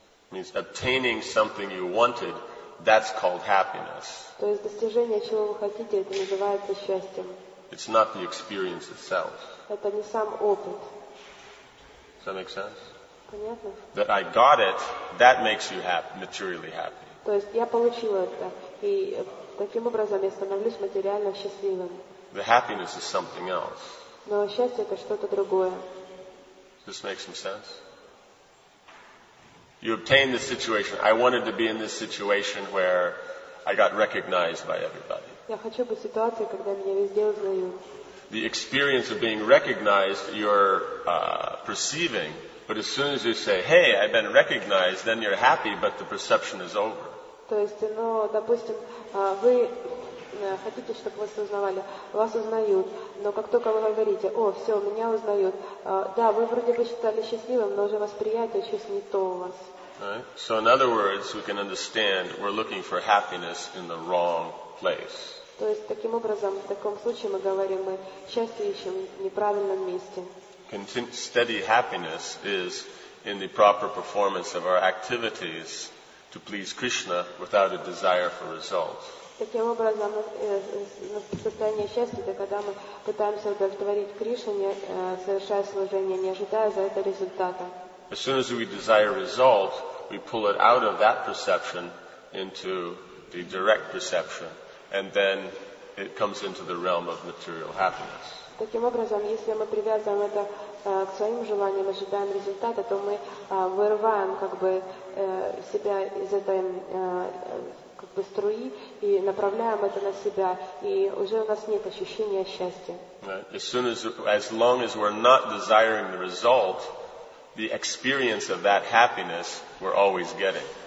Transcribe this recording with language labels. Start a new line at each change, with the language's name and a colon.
English: It means obtaining something you wanted. That's called happiness.
Russian: То есть достижение чего вы хотите, это называется счастьем.
English: It's not the experience itself.
Russian: Это не сам опыт.
English: Does that make sense?
Russian: Понятно.
English: That I got it, that makes you happy, materially happy.
Russian: То есть я получил это, и таким образом я становлюсь материально счастливым.
English: The happiness is something else.
Russian: Но счастье это что-то другое.
English: Does this make some sense? You obtain this situation. I wanted to be in this situation where I got recognized by everybody.
Russian: Я хочу быть в ситуации, когда меня везде узнают.
English: The experience of being recognized, you're perceiving. But as soon as you say, "Hey, I've been recognized," then you're happy, but the perception is over.
Russian: То есть, ну, допустим, вы хотите, чтобы вас узнавали, вас узнают, но как только вы говорите, о, все, меня узнают, да, вы вроде бы считали счастливым, но уже восприятие чуть не то у вас.
English: Right? So in other words, we can understand we're looking for happiness in the wrong place.
Russian: То есть таким образом, в таком случае мы говорим, мы счастье ищем в неправильном месте.
English: Steady happiness is in the proper performance of our activities to please Krishna without a desire for results.
Russian: Таким образом, состояние счастья, это когда мы пытаемся удовлетворить Кришне, совершая служение, не ожидая за это результата.
English: As soon as we desire result, we pull it out of that perception into the direct perception, and then it comes into the realm of material happiness.
Russian: Таким образом, если мы привязываем это к своим желаниям, ожидаем результата, то мы вырываем как бы себя из этой как бы струи и направляем это на себя, и уже у нас нет ощущения счастья.
English: Right. As long as we're not desiring the result, the experience of that happiness we're always getting.